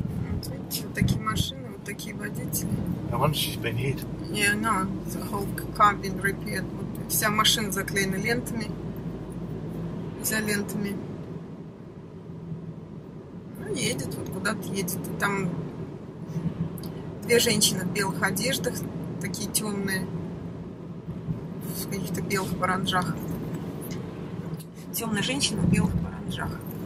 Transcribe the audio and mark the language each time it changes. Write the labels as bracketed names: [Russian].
[Russian] Вот видите, вот такие машины, вот такие водители. [English] No wonder she's been hit. Yeah, no, the whole car been repaired. [Russian] Вот вся машина заклеена лентами. Изолентами. Ну, едет, вот куда-то едет. И там две женщины в белых одеждах, такие темные. В каких-то белых паранджах. Темная женщина в белых паранджах.